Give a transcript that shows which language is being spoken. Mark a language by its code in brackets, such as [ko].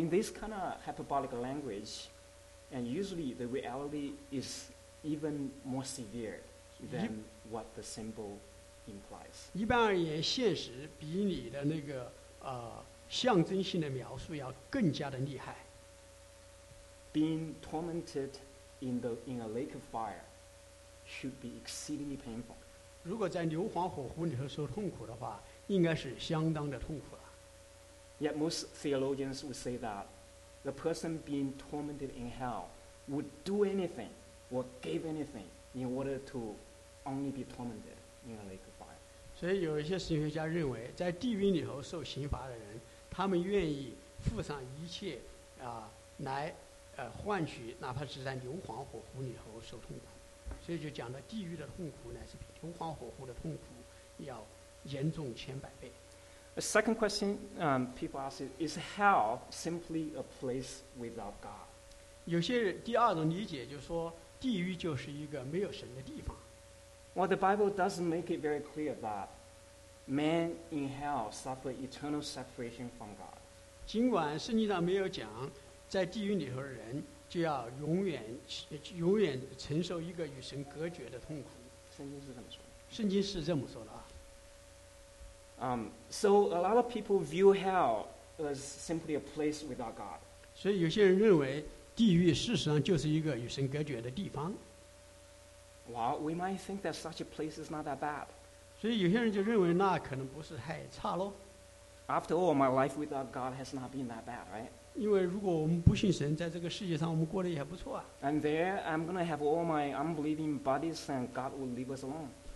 [en] And in this kind of hyperbolic language, and usually the reality is. Even more severe than what the symbol implies. [zh] 一般而言，现实比你的那个象征性的描述要更加的厉害。 [en] Being tormented in a lake of fire should be exceedingly painful. [zh] 如果在硫磺火湖里头受痛苦的话，应该是相当的痛苦了。 [en] Yet most theologians would say that the person being tormented in hell would do anything. Or gave anything in order to only be tormented in a lake of fire. [zh] 所以有一些神学家认为，在地狱里头受刑罚的人，他们愿意付上一切来换取哪怕是在硫磺火湖里头受痛苦。所以就讲到地狱的痛苦乃是比硫磺火湖的痛苦要严重千百倍。 [en] A second question, people ask is hell simply a place without God? [zh] 有些人第二种理解就是说。地狱就是一个没有神的地方。 [en] Well, the Bible doesn't make it very clear that man in hell suffer eternal separation from God. [zh] 尽管圣经上没有讲，在地狱里头的人就要永远承受一个与神隔绝的痛苦。圣经是这么说的。圣经是这么说的啊。 [en] So a lot of people view hell as simply a place without God. [zh] 所以有些人认为。地狱事实上就是一个与神隔绝的地方。 [en] Well, we might think that such a place is not that bad. [zh] 所以有些人就认为那可能不是太差咯。 [en] After all, my life without God has not been that bad, right? [zh] 因为如果我们不信神，在这个世界上我们过得也不错啊。 [en] And there, I'm going to have all my unbelieving buddies and God will leave us alone.